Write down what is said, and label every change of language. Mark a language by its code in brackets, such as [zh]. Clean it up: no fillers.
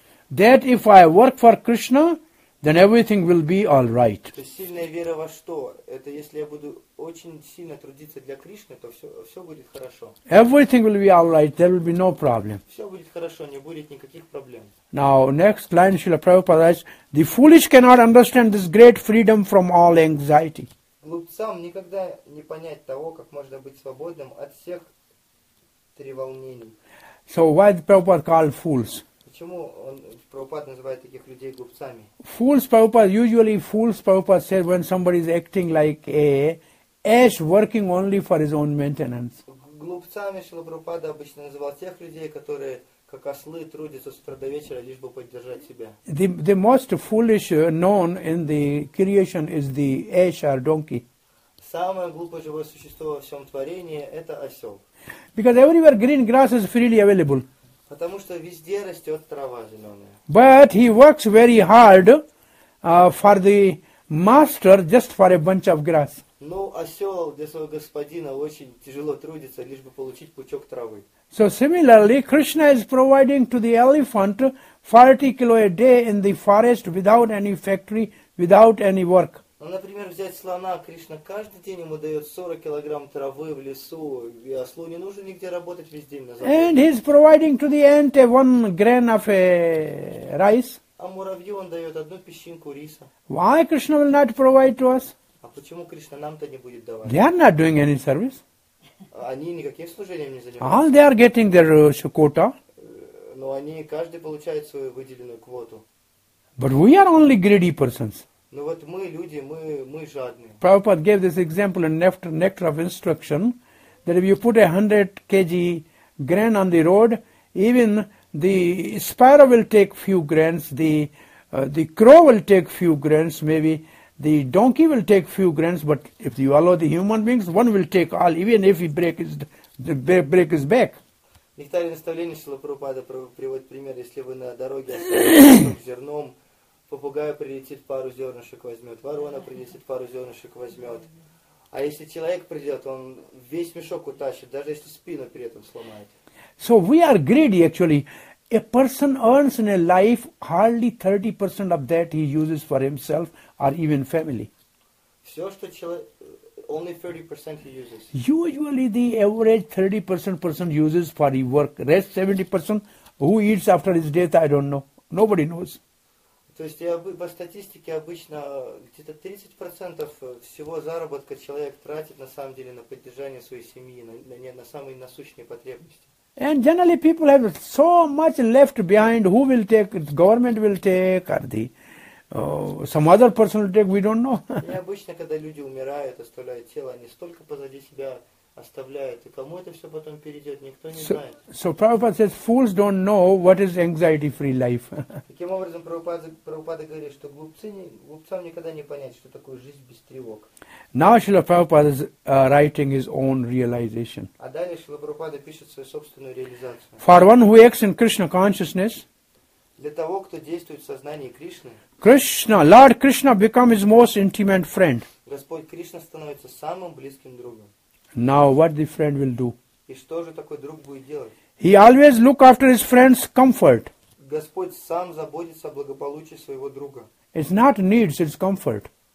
[en] That if I work for Krishna, then everything will be all right. [ru] То есть сильная вера во что? Это если я буду очень сильно трудиться для Кришны, то все будет хорошо. [en] Everything will be all right. There will be no problem. [ru] Все будет хорошо, не будет никаких проблем. [en] Now next line, Srila Prabhupada says, the foolish cannot understand this great freedom from all anxiety. [ru] Глупцам никогда не понять того, как можно быть свободным от всех треволнений. [en] So why the Prabhupada called fools? [ru] Почему он Прабхупада называет таких людей глупцами? [en] Fools, Prabhupada, usually fools, Prabhupada said, when somebody is acting like a ash working only for his own maintenance. [ru] Глупцами Шрила Прабхупада обычно называл тех людей, которые как ослы трудятся с утра до вечера, лишь бы поддержать себя. [en] The most foolish known in the creation is the ash or donkey. [ru] Самое глупое живое существо во всем творении – это осел. [en] Because everywhere green grass is freely available. [ru] Потому что везде растет трава зеленая. [en] But he works very hard for the master just for a bunch of grass. [ru] Но осел для своего господина очень тяжело трудится, лишь бы получить пучок травы. [en] So similarly, Krishna is providing to the elephant 40 kilo a day in the forest without any factory, without any work. [ru] Ну, например, взять слона, Кришна каждый день ему дает 40 килограмм травы в лесу, и ослу не нужно нигде работать весь день на завод. [en] And he's providing to the ant one grain of rice. [ru] А муравью он дает одну песчинку риса. [en] Why Krishna will not provide to us? [ru] А почему Кришна нам-то не будет давать? [en] They are not doing any service. [ru] Они никаким служением не занимаются. [en] All they are getting their quota. [ru] Но они каждый получает свою выделенную квоту. [en] But we are only greedy persons. [ru] Но вот мы люди, мы жадные. [en] Prabhupada gave this example in Nectar of Instruction, that if you put 100 kg grain on the road, even the sparrow will take few grains, the crow will take few grains, maybe the donkey will take few grains, but if you allow the human beings, one will take all, even if he break his back. [ru] Нектаре наставления Шрилы Прабхупады приводит пример, если вы на дороге зерном. Попугай прилетит, пару зернышек возьмет. Ворона прилетит, пару зернышек возьмет. А если человек придет, он весь мешок утащит, даже если спину при этом сломает. [en] So we are greedy actually. A person earns in a life hardly 30% of that he uses for himself or even family. [ru] Все, что человек... [en] Only 30% he uses. Usually the average 30% person uses for his work. Rest 70% who eats after his death, I don't know. Nobody knows. [ru] То есть я по статистике обычно где-то 30% всего заработка человек тратит на самом деле на поддержание своей семьи, на самые насущные потребности. [en] And generally people have so much left behind, who will take, government will take, or the some other person will take, we don't know. [ru] И обычно, когда люди умирают, оставляют тело, они столько позади себя оставляют, и кому это все потом перейдет, никто не знает. [en] So Prabhupada says, fools don't know what is anxiety-free life. [ru] Таким образом, Прабхупада говорит, что глупцам никогда не понять, что такое жизнь без тревог. [en] Now Srila Prabhupada is writing his own realization. [ru] А далее Шрила Прабхупада пишет свою собственную реализацию. [en] For one who acts in Krishna consciousness, [ru] для того, кто действует в сознании Кришны, [en] Krishna, Lord Krishna becomes his most intimate friend. [ru] Господь Кришна становится самым близким другом. [en] Now what the friend will do? [ru] И что же такой друг будет делать? [en] He always look after his friend's comfort. [ru] Господь сам заботится о благополучии своего друга. [en] It's not needs, it's comfort.